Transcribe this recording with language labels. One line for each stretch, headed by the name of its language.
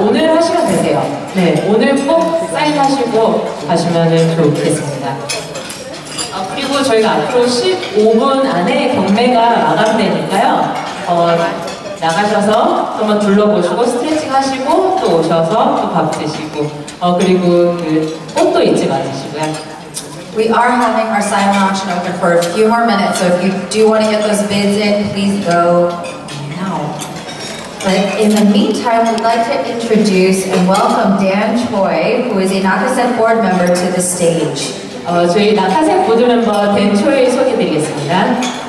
Korean: 오늘 하시면 되세요. 네, 오늘 꼭 사인하시고 가시면 좋겠습니다. 그리고 저희가 앞으로 15분 안에 경매가 마감되니까요. 나가셔서 한번 둘러보시고 스트레칭 하시고 또 오셔서 또 밥 드시고 그리고 그 꽃도 잊지 마시고요.
English: We are having our silent auction open for a few more minutes, so if you do want to get those bids in, please go now. But in the meantime, we'd like to introduce and welcome Dan Choi, who is a Nakase board member, to the stage.
Korean: 저희 나카세 보드 멤버 댄 초이 소개드리겠습니다.